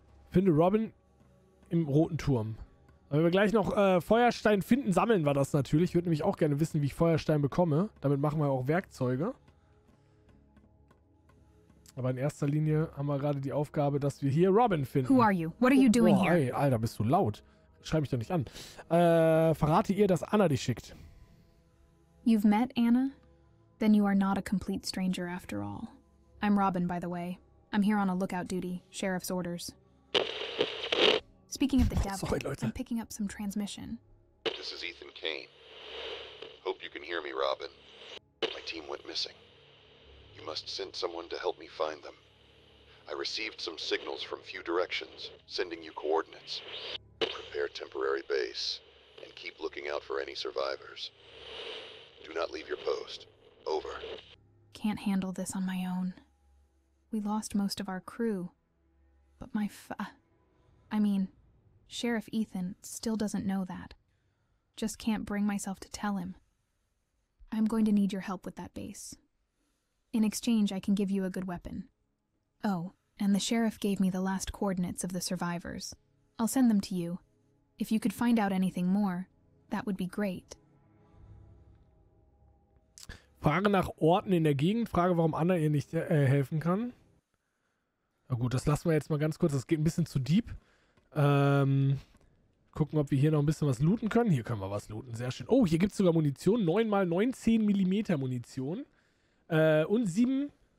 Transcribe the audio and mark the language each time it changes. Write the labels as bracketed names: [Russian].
[German] Finde Robin im roten Turm. Wenn wir gleich noch Feuerstein finden, sammeln wir das natürlich. Ich würde nämlich auch gerne wissen, wie ich Feuerstein bekomme. Damit machen wir auch Werkzeuge. Aber in erster Linie haben wir gerade die Aufgabe, dass wir hier Robin finden. [English] Who are you? What are you doing here? [German] Hey, Alter, bist du laut. Schreib mich doch nicht an. Verrate ihr, dass Anna dich schickt. [English] You've met Anna? Then you are not a complete stranger after all. I'm Robin, by the way. I'm here on a lookout duty. Sheriff's orders. Speaking of the devil, I'm picking up some transmission. This is Ethan Kane. Hope you can hear me, Robin. My team went missing. You must send someone to help me find them. I received some signals from few directions, sending you coordinates. Prepare temporary base, and keep looking out for any survivors. Do not leave your post. Over. Can't handle this on my own. We lost most of our crew. But my Sheriff Ethan still doesn't know that. Just can't bring myself to tell him. I'm going to need your help with that base. In exchange, I can give you a good weapon. Oh, and the sheriff gave me the last coordinates of the survivors. I'll send them to you. If you could find out anything more, that would be great. [German] Frage nach Orten in der Gegend. Frage, warum Anna ihr nicht helfen kann. Na gut, das lassen wir jetzt mal ganz kurz. Das geht ein bisschen zu deep. Gucken, ob wir hier noch ein bisschen was looten können. Hier können wir was looten. Sehr schön. Oh, hier gibt es sogar Munition. 9x19 mm Munition. Und 7...